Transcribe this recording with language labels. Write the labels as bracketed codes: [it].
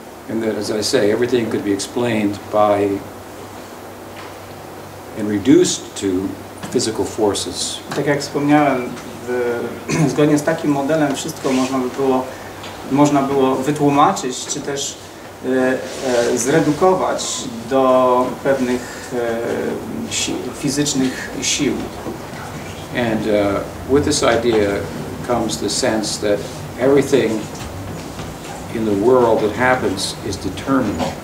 [en] And that, as I say, everything could be explained by and reduced to physical forces. [pl] Tak jak wspomniałem, zgodnie z takim modelem wszystko można było wytłumaczyć, czy też zredukować do pewnych fizycznych sił. [en] And with this idea comes the sense that everything in the world that happens is determined.